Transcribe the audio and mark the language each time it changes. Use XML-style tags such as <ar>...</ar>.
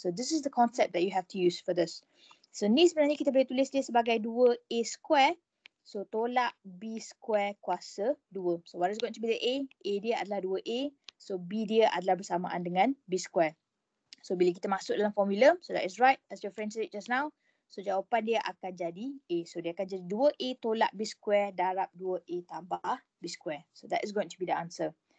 <en>So this is the concept that you have to use for this. So</en> <ms>ni sebenarnya kita boleh tulis dia sebagai</ms> <en>2a square. So tolak b square kuasa 2. So what is going to be the a?</en> <ms>A dia adalah 2a. So b dia adalah bersamaan dengan b square.</ms> <en>So</en> <ms>bila kita masuk dalam formula,</ms> <en>so that is right as your friend said just now.</en> <ms>So jawapan dia akan jadi A. So dia akan jadi 2A tolak B square darab 2A tambah B square.</ms> <en>So that is going to be the answer.</en>